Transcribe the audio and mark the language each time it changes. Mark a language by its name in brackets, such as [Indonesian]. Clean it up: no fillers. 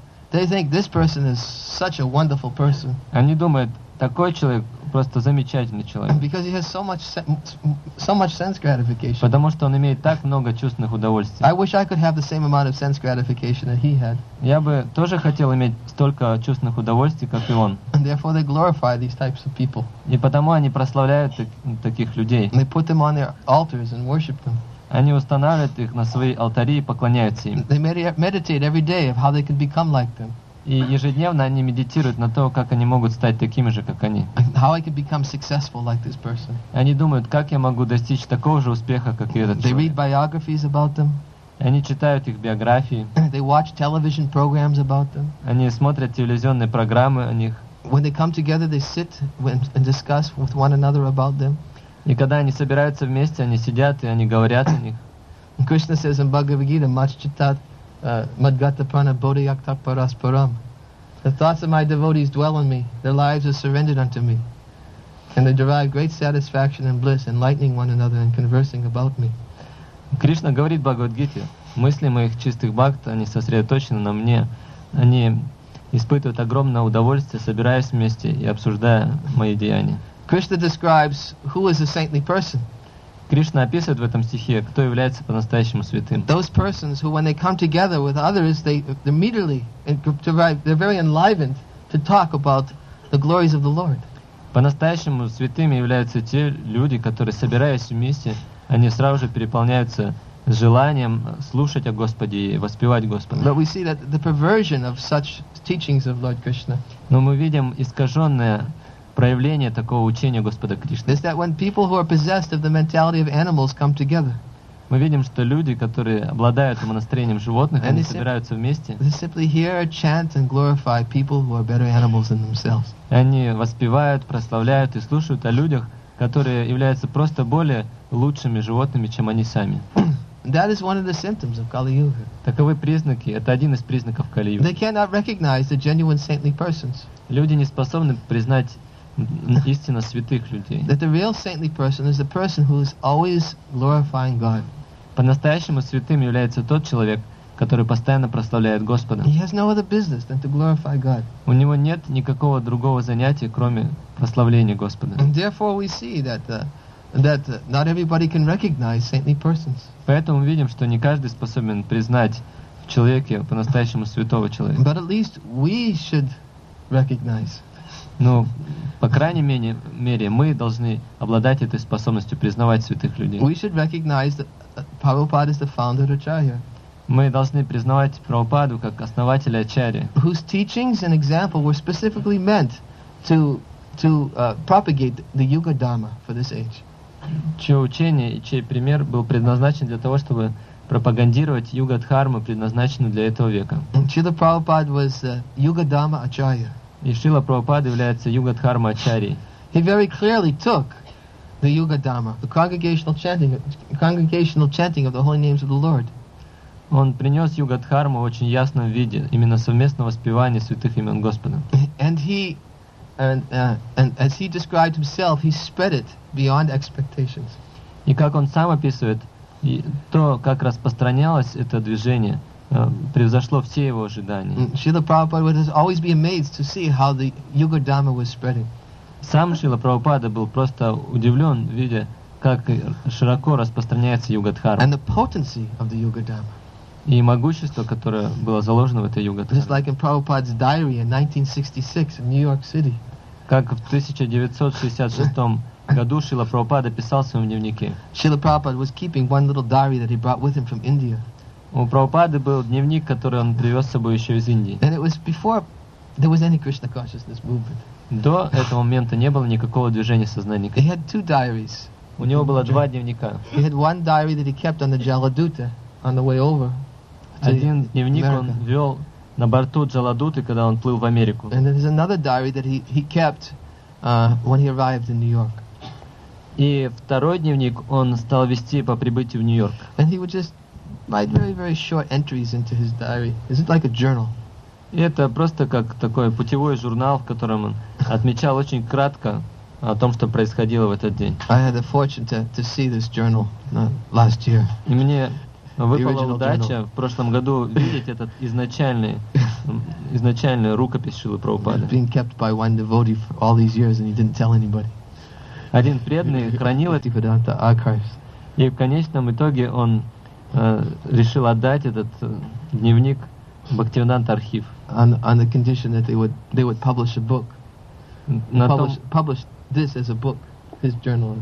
[English] They think this person is such a wonderful person. [Russian] Они думают, такой человек просто замечательный человек. [English] Because he has so much sense gratification. [Russian] Потому что он имеет так много чувственных удовольствий. [English] I wish I could have the same amount of sense gratification that he had. [Russian] Я бы тоже хотел иметь столько чувственных удовольствий, как и он. [English] And therefore they glorify these types of people. [Russian] И потому они прославляют таких людей. [English] And they put them on their altars and worship them. [Russian] Они устанавливают их на свои алтари и поклоняются им. [English] They meditate every day of how they can become like them. [Russian] И ежедневно они медитируют на то, как они могут стать такими же, как они. [English] How I can become successful like this person. [Russian] Они думают, как я могу достичь такого же успеха, как и этот [English] They [Russian] человек. [English] Read biographies about them. [Russian] Они читают их биографии. [English] They watch television programs about them. [Russian] Они смотрят телевизионные программы о них. [English] When they come together, they sit and discuss with one another about them. [Russian] И когда они собираются вместе, они сидят и они говорят о них. [English] Krishna says in Bhagavad Gita, [Sanskrit] Machchitat. Madgata prana bodhiyakta parasparam. [English] The thoughts of my devotees dwell in me. Their lives are surrendered unto me. And they derive great satisfaction and bliss, enlightening one another and conversing about me. [Russian] Кришна говорит в Бхагавад-гите, мысли моих чистых бхакт, они сосредоточены на мне. Они испытывают огромное удовольствие, собираясь вместе и обсуждая мои деяния. [English] Krishna describes who is a saintly person. [Russian] Кришна описывает в этом стихе, кто является по-настоящему святым. [English] Those persons who, when they come together with others, they immediately derive, they're very enlivened to talk about the glories of the Lord. [Russian] По-настоящему святыми являются те люди, которые, собираясь вместе, они сразу же переполняются желанием слушать о Господе и воспевать Господа. [English] But we see that the perversion of such teachings of Lord Krishna. [Russian] Но мы видим искаженное проявление такого учения Господа Кришны. [English] Is that when people who are possessed of the mentality of animals come together? [Russian] Мы видим, что люди, которые обладают умонастроением животных, они собираются вместе. [English] They simply hear, chant, and glorify people who are better animals than themselves. [Russian] Они воспевают, прославляют и слушают о людях, которые являются просто более лучшими животными, чем они сами. [English] That is one of the symptoms of Kali Yuga. [Russian] Таковы признаки, это один из признаков Кали Юги. [English] They cannot recognize the genuine saintly persons. [Russian] Люди не способны признать истинно святых людей. [English] That the real saintly person is the person who is always glorifying God. [Russian] По-настоящему святым является тот человек, который постоянно прославляет Господа. [English] He has no other business than to glorify God. [Russian] У него нет никакого другого занятия, кроме прославления Господа. [English] And therefore we see that not everybody can recognize saintly persons. [Russian] Поэтому мы видим, что не каждый способен признать в человеке по-настоящему святого человека. [English] But at least we should recognize. [Russian] Ну, по крайней мере, мы должны обладать этой способностью признавать святых людей. [English] We should recognize that Prabhupada is the founder of Acharya. [Russian] Мы должны признавать Прабхупаду как основателя Ачарьи. [English] Whose teachings and example were specifically meant to propagate the Yuga Dharma for this age. [Russian] Чье учение и чей пример был предназначен для того, чтобы пропагандировать Юга Дхарму, предназначенную для этого века. [English] Чила Прабхупад was Yuga Dharma Acharya. [Russian] И Шрила Прабхупада является Юга Дхарма Ачарьей. [English] He very clearly took the Yuga Dharma, the congregational chanting of the holy names of the Lord. [Russian] Он принес Юга Дхарму в очень ясном виде, именно совместного воспевания святых имен Господа. [English] And as he described himself, he spread it beyond expectations. [Russian] И как он сам описывает, то, как распространялось это движение, превзошло все его ожидания. [English] Srila Prabhupada would always be amazed to see how the Yuga Dharma was spreading. [Russian] Сам Шрила Прабхупада был просто удивлен, видя, как широко распространяется Юга Дхарма. [English] And the potency of the Yuga Dharma. [Russian] И могущество, которое было заложено в этой Юга Дхарме. [English] Just like in Prabhupada's diary in 1966 in New York City. [Russian] Как в 1966 году Шрила Прабхупада писал в своем дневнике. [English] Srila Prabhupada was keeping one little diary that he brought with him from India. [Russian] У Прабхупады был дневник, который он привез с собой еще из Индии. [English] And it was before there was any Krishna consciousness movement. [Russian] До этого момента не было никакого движения сознания. [English] He had two diaries. [Russian] У него было два дневника. [English] He had one diary that he kept on the Jaladuta on the way over. [Russian] Один дневник он вел на борту Джаладуты, когда он плыл в Америку. [English] And there is another diary that he kept when he arrived in New York. [Russian] И второй дневник он стал вести по прибытию в Нью-Йорк. [English] And he would just write very, very short entries into his diary. Is it like a journal? [Russian] И это просто как такой путевой журнал, в котором он отмечал очень кратко о том, что происходило в этот день. [English] I had the fortune to see this journal last year. [Russian] И мне выпала удача в прошлом году видеть этот изначальную рукопись Шрилы Прабхупады. [English] Being kept by one devotee for all these years and he didn't tell anybody. [Russian] Один преданный хранил это, и в конечном итоге он решил отдать этот дневник в Бхактивиданта Архив. [English] On the condition that they would publish a book. Publish this as a book, his journal.